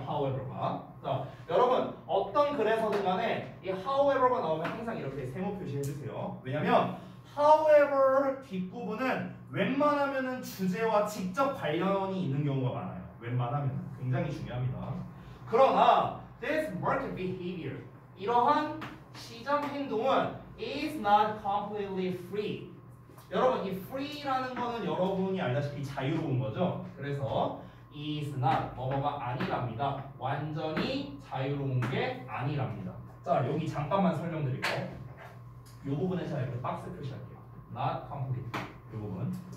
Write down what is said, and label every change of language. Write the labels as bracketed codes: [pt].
[en] However가. [ko] 자, 여러분 어떤 글에서든 간에 이 However가 나오면 항상 이렇게 세모 표시 해주세요. 왜냐면 However 뒷부분은 웬만하면은 주제와 직접 관련이 있는 경우가 많아요. 웬만하면 굉장히 중요합니다. 그러나 [en] this market behavior, [ko] 이러한 시장 행동은 [en] is not completely free. [ko] 여러분 이 free라는 거는 여러분이 알다시피 자유로운 거죠. 그래서 is not 뭐뭐가 아니랍니다. 완전히 자유로운 게 아니랍니다. 자, 여기 잠깐만 설명드릴게요. 이 부분에 제가 이렇게 박스 표시할게요. [en] Not complete. 이 부분.